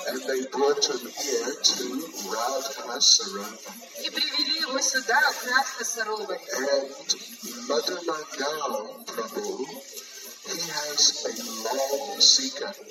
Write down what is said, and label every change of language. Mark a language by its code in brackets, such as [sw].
[en] And they brought him here to Radha Sarovara. [ru] И привели его сюда, в Радха Саровара. [en] And Madhu Mangala Prabhu, he has a long sika.